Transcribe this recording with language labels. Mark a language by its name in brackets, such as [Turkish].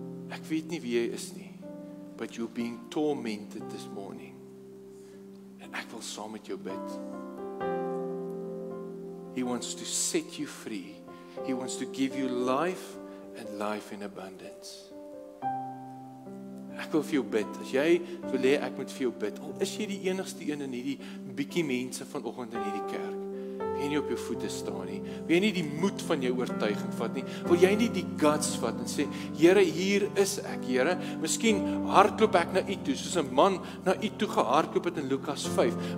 [Afrikaans] ek weet nie wie jy is nie, [English] but you're being tormented this morning, [Afrikaans] en ek wil saam met jou bid, [English] He wants to set you free. He wants to give you life and life in abundance. [Afrikaans] Ek wil vir jou bid. As jy wil hê, ek moet vir jou bid. Al is jy die enigste een in hierdie bietjie mense vanoggend in hierdie kerk. Wil jy nie op jou voete staan nie? Wil jy nie die moed van jou oortuiging vat nie? Wil jy nie die guts vat en sê, Here, hier is ek, Here. Miskien hardloop ek na u toe, soos 'n man na u toe gehardloop het in Lukas 5.